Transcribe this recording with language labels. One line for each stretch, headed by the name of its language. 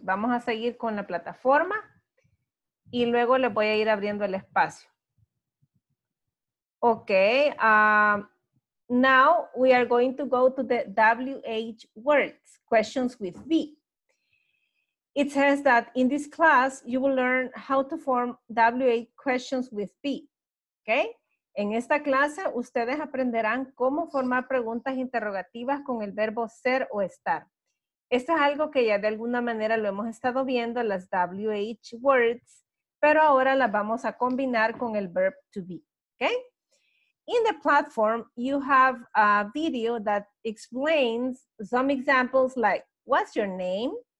Spanish: Vamos a seguir con la plataforma y luego les voy a ir abriendo el espacio.
English: Okay, now we are going to go to the WH words, questions with V. It says that in this class, you will learn how to form WH questions with V. Okay?
Spanish: En esta clase, ustedes aprenderán cómo formar preguntas interrogativas con el verbo ser o estar. Esto es algo que ya de alguna manera lo hemos estado viendo, las WH words, pero ahora las vamos a combinar con el verb to be.
English: Okay? In the platform, you have a video that explains some examples like, what's your name?